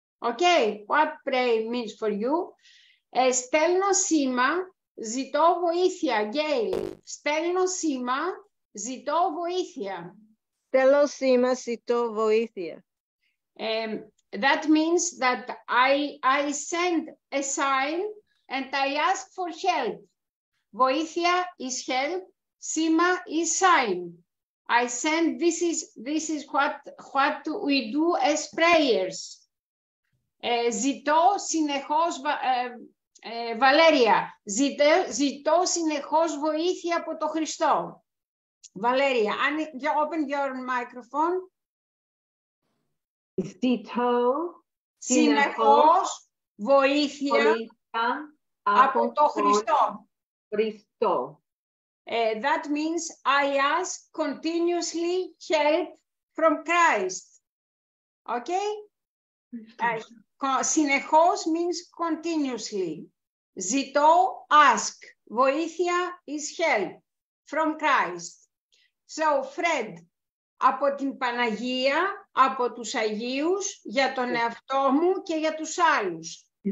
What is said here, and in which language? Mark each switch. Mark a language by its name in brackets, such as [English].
[English] Okay, what pray means for you? [Greek] Στέλνω σήμα, ζητώ βοήθεια. Γκέιλ, στέλνω σήμα, ζητώ βοήθεια. Στέλνω σήμα, ζητώ βοήθεια. [English] That means that I send a sign and I ask for help. Βοήθεια is help, σήμα is sign. I send, this is what we do as prayers. [Greek] Ζητώ συνεχώς, Βαλέρια, ζητώ συνεχώς βοήθεια από το Χριστό. [English] Βαλέρια, open your microphone. [Greek] Ζητώ συνεχώς βοήθεια από το Χριστό. [English] That means I ask continuously help from Christ. Okay? Συνεχώς means continuously. Ζητώ, ask. Βοήθεια is help from Christ. [Greek] So, Fred, από την Παναγία, από τους Αγίους, για τον εαυτό μου και για τους άλλους.